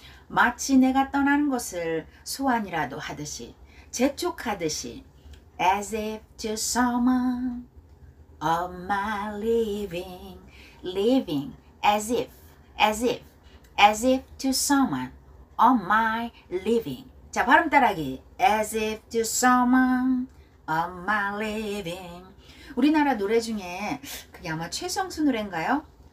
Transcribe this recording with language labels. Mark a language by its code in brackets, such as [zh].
[ko] 마치 내가 떠나는 것을 소환이라도 하듯이, 재촉하듯이. [en] As if to summon of my living. living as if, as if to someone, on my living. [ko] 자, 발음 따라하기. [en] As if to someone, on my living. [ko] 우리나라 노래 중에 그게 아마 최성수 노래인가요?